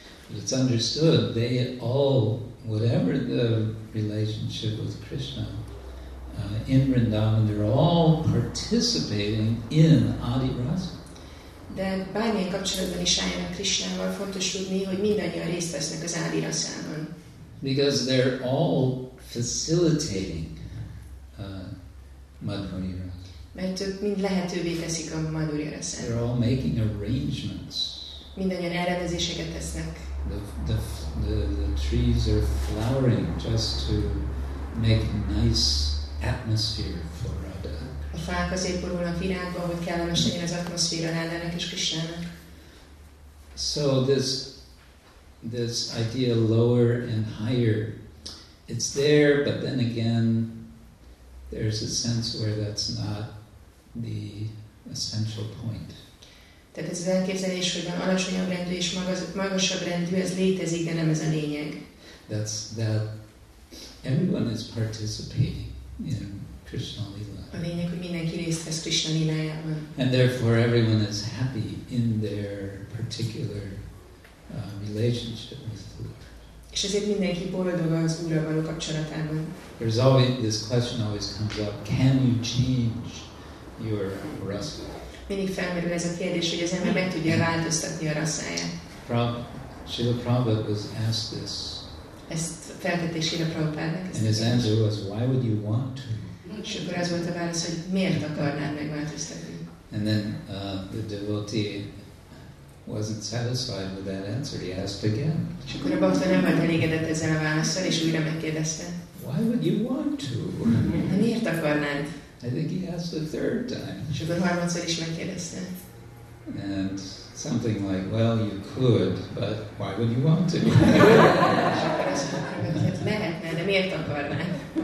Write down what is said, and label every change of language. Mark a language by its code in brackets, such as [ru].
[en] But it's understood they all, whatever the relationship with Krishna, in Vrindavan, they're all participating in Adi Rasa. [hu] De bármilyen kapcsolatban is álljanak Krishnával, fontos tudni, hogy mindannyian részt vesznek az Adi Rasában. [en] Because they're all facilitating Madhuri Rasa. [hu] Mert ők mind lehetővé teszik a Madhuri Rasát. [en] They're all making arrangements. [hu] Mindannyian elrendezéseket tesznek. [en] The trees are flowering just to make nice atmosphere for Radha. [hu] A fák azért borulnak virágba, hogy kellemes legyen az atmoszféra Radhának és Krishnának. [en] So this idea lower and higher, it's there, but then again, there's a sense where that's not the essential point. [hu] Tehát ez az elképzelés, hogy van alacsonyabb rendű és magasabb rendű, ez létezik, de nem ez a lényeg. [en] That's that everyone is participating in Krishna Lila. [hu] A lényeg, hogy mindenki részt vesz Krishna Lilájában. [en] And therefore everyone is happy in their particular relationship with the Lord. [hu] És ezért mindenki boldog az Úrral való kapcsolatában. [en] There's always this question always comes up, can you change your rasa? [hu] Mindig felmerül ez a kérdés, hogy az ember meg tudja változtatni a rasáját. [en] Srila Prabhupada was asked this. [hu] Ezt feltette Srila Prabhupádnak. [en] And his answer was, why would you want to? [hu] És akkor az volt a válasz, hogy miért akarnád megváltoztatni? [en] And then the devotee wasn't satisfied with that answer. He asked again. [hu] És akkor a bhakta nem volt elégedett ezzel a válaszsal, és újra megkérdezte. [en] Why would you want to? [hu] De miért akarnád? [en] I think he asked the third time. [hu] És akkor harmadszor is megkérdezte. [en] And something like, well, you could, but why would you want to? [hu] És akkor azt mondta, hogy hát lehetne, de miért akarnád?